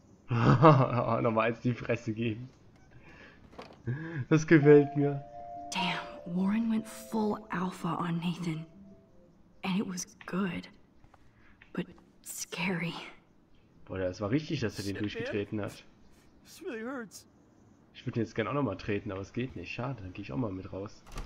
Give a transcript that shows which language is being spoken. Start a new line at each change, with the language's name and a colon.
German: Nochmal eins die Fresse geben. Das gefällt mir.
English: Damn, Warren went full alpha on Nathan. And it was good. But scary.
German: Boah, das war richtig, dass er den durchgetreten hat.
English: It really hurts.
German: Ich würde ihn jetzt gerne auch nochmal treten, aber es geht nicht. Schade, dann gehe ich auch mal mit raus.